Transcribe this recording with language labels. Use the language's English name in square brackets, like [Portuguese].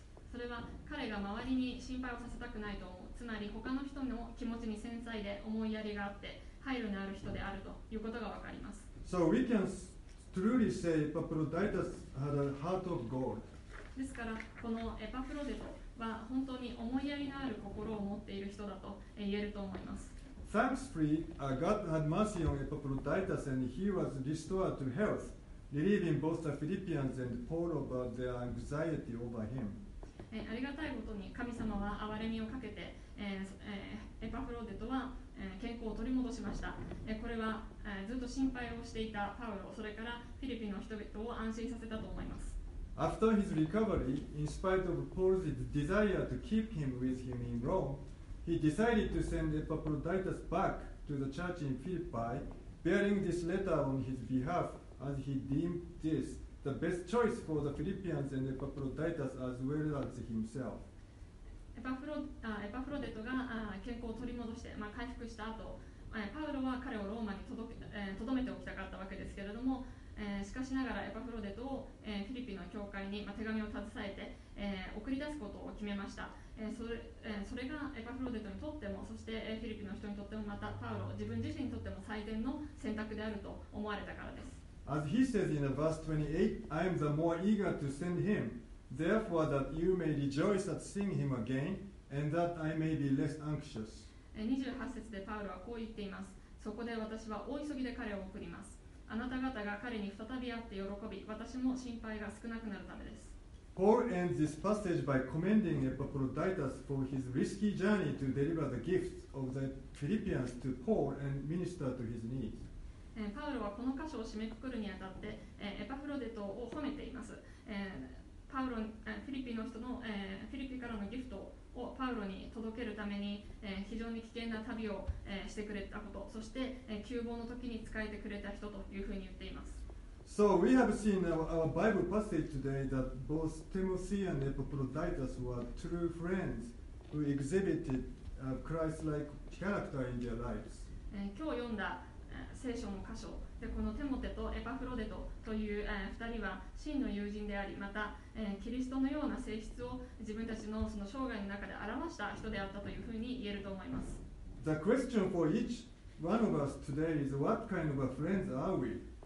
[Japanese] それは彼が周りに心配をさせたくないと思う。つまり他の人の気持ちに繊細で思いやりがあって、配慮のある人であるということがわかります。 [English] So we can truly say Epaphroditus had a heart of gold. [Japanese] ですからこのエパフロデトは本当に思いやりのある心を持っている人だと言えると思います。 [English] Thankfully, God had mercy on Epaphroditus and he was restored to health, relieving both the Philippians and Paul of their anxiety over him. [Japanese] ありがたいことに神様は憐れみをかけて、エパフロデトは健康を取り戻しました。これはずっと心配をしていたパウロ、それからフィリピンの人々を安心させたと思います。 [English] After his recovery, in spite of Paul's desire to keep him with him in Rome, he decided to send Epaphroditus back to the church in Philippi, bearing this letter on his behalf, as he deemed this the best choice for the Philippians and Epaphroditus as well as himself. [Japanese] エパフロデトが健康を取り戻して、回復した後、パウロは彼をローマに留めておきたかったわけですけれども、しかしながらエパフロデトをフィリピンの教会に手紙を携えて送り出すことを決めました。それがエパフロデトにとっても、そしてフィリピンの人にとっても、またパウロ自分自身にとっても最善の選択であると思われたからです。 [English] As he says in verse 28, I am the more eager to send him, therefore that you may rejoice at seeing him again, and that I may be less anxious. [Japanese] 28節でパウロはこう言っています。そこで私は大急ぎで彼を送ります。あなた方が彼に再び会って喜び、私も心配が少なくなるためです。 [English] Paul ends this passage by commending Epaphroditus for his risky journey to deliver the gifts of the Philippians to Paul and minister to his needs. [Japanese] パウロはこの箇所を締めくくるにあたって、エパフロデトを褒めています。パウロ、フィリピの人の、フィリピからのギフトをパウロに届けるために、非常に危険な旅を、してくれたこと、そして、急防の時に使えてくれた人というふうに言っています。 [English] So we have seen our Bible passage today that both Timothy and Epaphroditus were true friends who exhibited a Christ-like character in their lives. [Japanese] 今日読んだ聖書の箇所でこのテモテとエパフロデトという2人は真の友人であり、またキリストのような性質を自分たちのその生涯の中で表した人であったというふうに言えると思います。 [English] The question for each one of us today is what kind of a friends are we?